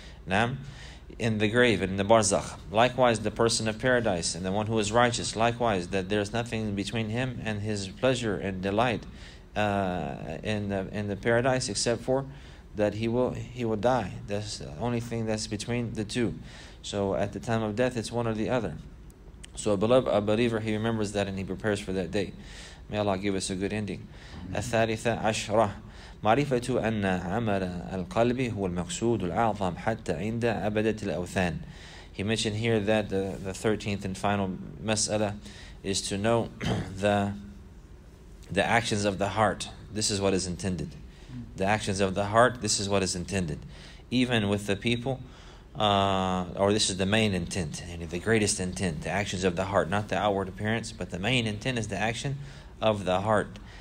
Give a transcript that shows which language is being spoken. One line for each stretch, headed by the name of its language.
English: Naam, in the grave and in the barzakh. Likewise, the person of paradise and the one who is righteous, likewise, that there is nothing between him and his pleasure and delight in the paradise except for that he will die. That's the only thing that's between the two. So at the time of death, it's one or the other. So a believer, he remembers that and he prepares for that day. May Allah give us a good ending.
Arabic: الثالثة عشرة معرفة أن عمل القلب هو المقصود العظم حتى عند عبادة الأوثان.
English: He mentioned here that the 13th and final mas'ala is to know the actions of the heart. This is what is intended. The actions of the heart, this is what is intended. Even with the people, or this is the main intent, and the greatest intent, the actions of the heart, not the outward appearance, but the main intent is the action of the heart.